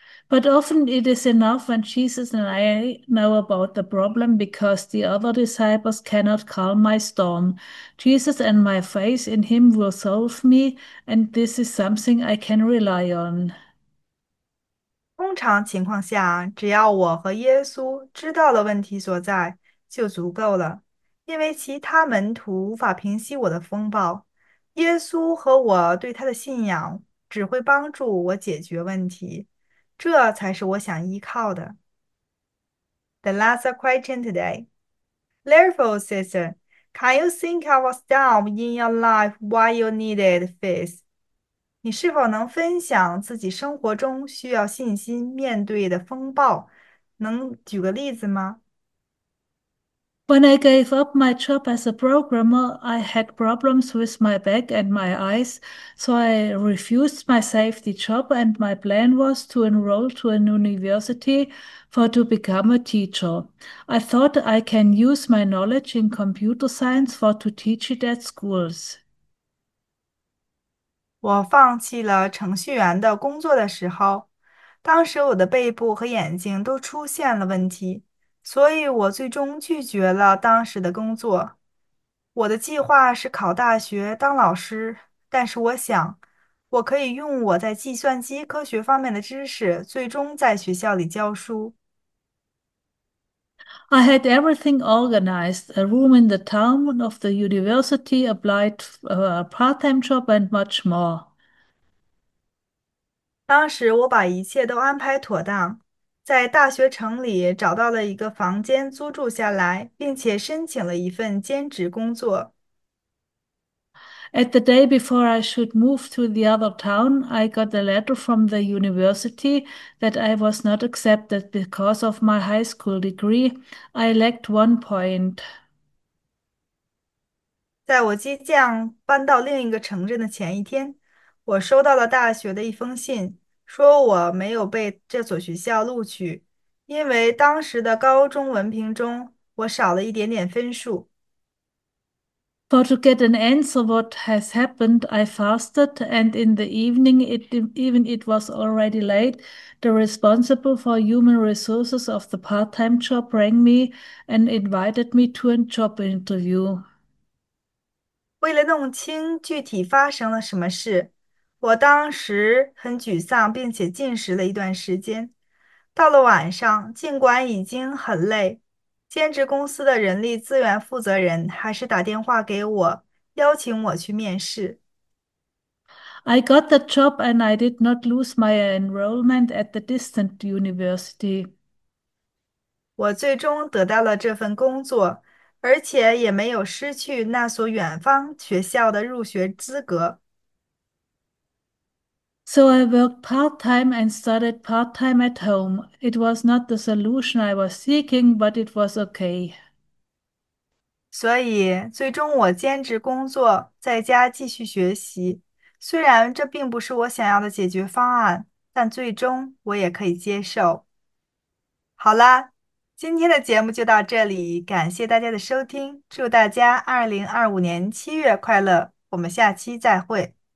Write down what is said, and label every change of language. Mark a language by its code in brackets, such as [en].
[en] But often it is enough when Jesus and I know about the problem because the other disciples cannot calm my storm. Jesus and my faith in him will solve me, and this is something I can rely on. [zh] 通常情况下，只要我和耶稣知道了问题所在，就足够了，因为其他门徒无法平息我的风暴。耶稣和我对他的信仰只会帮助我解决问题，这才是我想依靠的。 [en] The last question today. Therefore, sister, can you think of a storm in your life while you needed faith? [zh] 你是否能分享自己生活中需要信心面对的风暴？能举个例子吗？ [en] When I gave up my job as a programmer, I had problems with my back and my eyes, so I refused my safety job, and my plan was to enroll to an university for to become a teacher. I thought I can use my knowledge in computer science for to teach it at schools. [zh] 我放弃了程序员的工作的时候，当时我的背部和眼睛都出现了问题，所以我最终拒绝了当时的工作。我的计划是考大学当老师，但是我想，我可以用我在计算机科学方面的知识，最终在学校里教书。 [en] I had everything organized, a room in the town of the university, applied for a part-time job, and much more. [zh] 当时我把一切都安排妥当，在大学城里找到了一个房间租住下来，并且申请了一份兼职工作。 [en] At the day before I should move to the other town, I got a letter from the university that I was not accepted because of my high school degree. I lacked 1 point. [zh] 在我即将搬到另一个城镇的前一天，我收到了大学的一封信。说我没有被这所学校录取，因为当时的高中文凭中我少了一点点分数。 [en] For to get an answer what has happened, I fasted, and in the evening, it was already late, the responsible for human resources of the part-time job rang me and invited me to a job interview. [zh] 为了弄清具体发生了什么事。我当时很沮丧，并且进食了一段时间。到了晚上，尽管已经很累，兼职公司的人力资源负责人还是打电话给我，邀请我去面试。 [en] I got the job and I did not lose my enrollment at the distant university. [zh] 我最终得到了这份工作，而且也没有失去那所远方学校的入学资格。 [en] So I worked part-time and studied part-time at home. It was not the solution I was seeking, but it was okay. [zh] 所以，最终我兼职工作，在家继续学习。虽然这并不是我想要的解决方案，但最终我也可以接受。好啦，今天的节目就到这里，感谢大家的收听，祝大家2025年7月快乐，我们下期再会。